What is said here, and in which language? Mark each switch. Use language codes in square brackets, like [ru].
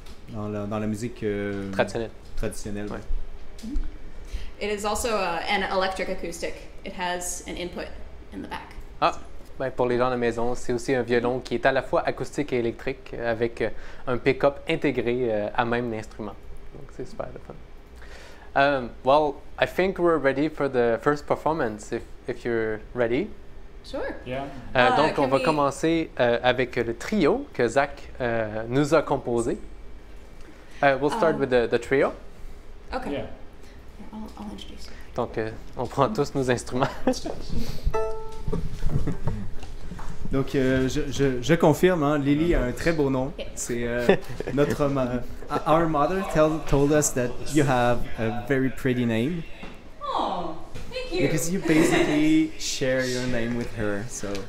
[fr] Dans la musique traditionnelle. Ouais. [en] It is also an electric acoustic. It has an input in the back. [fr] Pour les gens à la maison, c'est aussi un violon qui est à la fois acoustique et électrique avec un pick-up intégré à même l'instrument. Donc c'est super fun. [en] Well, I think we're ready for the first performance if you're ready. Sure. Yeah. [fr] On va commencer avec le trio que Zach nous a composé. [en] We'll start with the trio. Okay. Yeah. I'll introduce you. [fr] Donc, on prend tous nos instruments. Donc, je confirme, hein, Lily a un très beau nom. Yeah. C'est notre... [en] our mother told us that you have a very pretty name. Oh, thank you. Because you basically share your name with her, so...